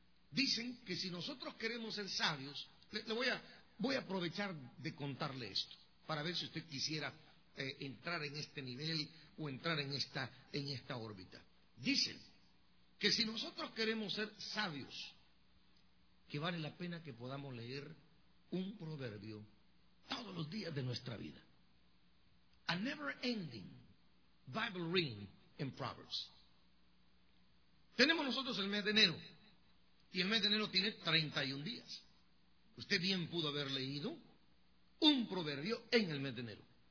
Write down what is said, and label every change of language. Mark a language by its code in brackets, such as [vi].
[es] Dicen que si nosotros queremos ser sabios, le voy a aprovechar de contarle esto, para ver si usted quisiera entrar en este nivel o entrar en esta órbita. Dicen que si nosotros queremos ser sabios, que vale la pena que podamos leer un proverbio todos los días de nuestra vida. [en] A never ending Bible reading in Proverbs. [es] Tenemos nosotros el mes de enero, y el mes de enero tiene 31 días. Usted bien pudo haber leído un proverbio en el mes de enero.